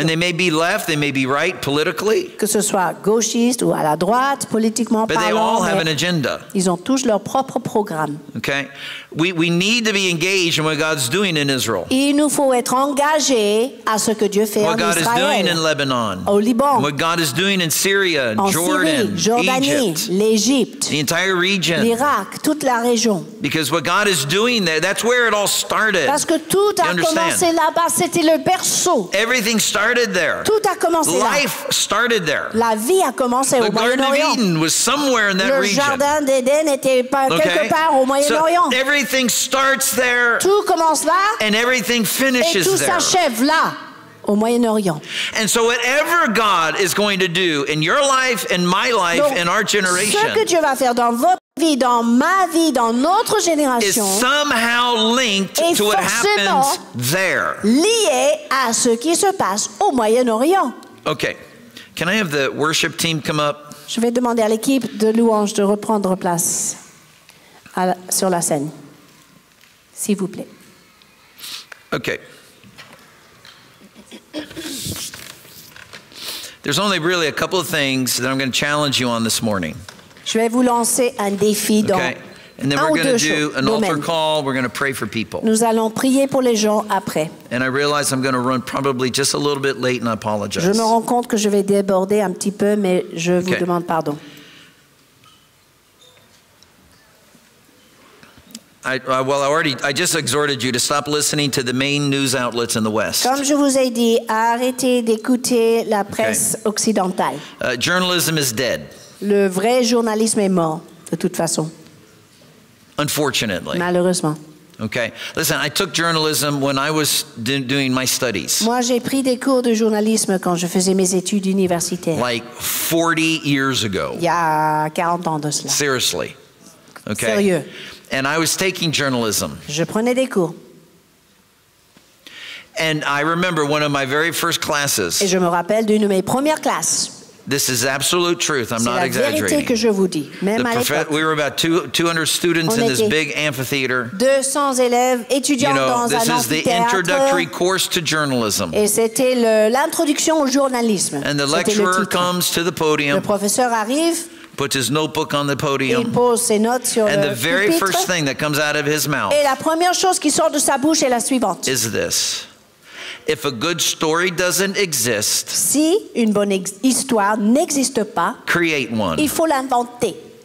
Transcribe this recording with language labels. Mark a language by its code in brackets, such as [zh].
[en] And they may be left, they may be right politically. [fr] Que ce soit gauchiste ou à la droite, politiquement parlant. [en] But they all have an agenda. [fr] Ils ont tous leur propre programme. [en] Okay. We need to be engaged in what God's doing in Israel. [fr] Il nous faut être engagés à ce que Dieu fait [en] what [fr] en [en] God [fr] Israël. [en] Is doing in Lebanon. [fr] Au Liban. [en] What God is doing in Syria, [fr] en [en] Jordan, [fr] Syrie, Jordanie, [en] Egypt. [fr] L'Égypte. [en] The entire region. [fr] L'Irak, toute la région. [en] Because what God is doing there, that's where it all started. [fr] Parce que tout a commencé là-bas, c'était le le berceau. [en] Everything started there. [fr] Tout a commencé là. [en] Life started there. [fr] La vie a commencé [en] the [fr] au Moyen-Orient. [en] Garden of Eden was somewhere in that [fr] le [en] region. [fr] Le jardin d'Éden était pas [en] okay. [fr] quelque part au Moyen-Orient. [en] So everything starts there. [fr] Tout commence là. [en] And everything finishes there. [fr] Et tout s'achève là. Au Moyen-Orient. [en] And so whatever God is going to do in your life, in my life, [fr] donc, [en] in our generation, [fr] ce que Dieu va faire dans votre vie, dans ma vie, dans notre génération, [en] is somehow linked to what happens there. [fr] Lié à ce qui se passe au Moyen-Orient. [en] Okay. Can I have the worship team come up? [fr] Je vais demander à l'équipe de louange de reprendre place sur la scène. S'il vous plaît. [en] Okay. There's only really a couple of things that I'm going to challenge you on this morning. [fr] Je vais vous lancer un défi dans [en] okay. And then [fr] un [en] we're going to do an [fr] domaine. [en] Altar call. We're going to pray for people. [fr] Nous allons prier pour les gens après. [en] And I realize I'm going to run probably just a little bit late and I apologize. [fr] Je me rends compte que je vais déborder un petit peu, mais je [en] okay. [fr] vous demande pardon. [en] I just exhorted you to stop listening to the main news outlets in the West. [fr] Comme je vous ai dit, arrêtez d'écouter la presse [en] okay. [fr] occidentale. [en] Journalism is dead. [fr] Le vrai journalisme est mort, de toute façon. [en] Unfortunately. [fr] Malheureusement. [en] Okay. Listen, I took journalism when I was doing my studies. [fr] Moi, j'ai pris des cours de journalisme quand je faisais mes études universitaires. [en] Like 40 years ago. [fr] Il y a 40 ans de cela. [en] Seriously. Okay. [fr] Sérieux. [en] And I was taking journalism. [fr] Je prenais des cours. [en] And I remember one of my very first classes. [fr] Et je me rappelle d'une de mes premières classes. [en] This is absolute truth. I'm not exaggerating. [fr] C'est la vérité que je vous dis. Même à l'époque. [en] We were about 200 students in this big amphitheater. [fr] 200 élèves étudiants dans un amphithéâtre. [en] This is the introductory course to journalism. [fr] Et c'était l'introduction au journalisme. [en] And the lecturer comes to the podium. [fr] Le professeur arrive. [en] Puts his notebook on the podium. [fr] Il pose ses notes sur [en] and [fr] le [en] the very [fr] pupitre. [en] First thing that comes out of his mouth [fr] et la première chose qui sort de sa bouche est la suivante. [en] Is this. If a good story doesn't exist, [fr] si une bonne histoire n'existe pas, [en] create one. [fr] Il faut l'inventer.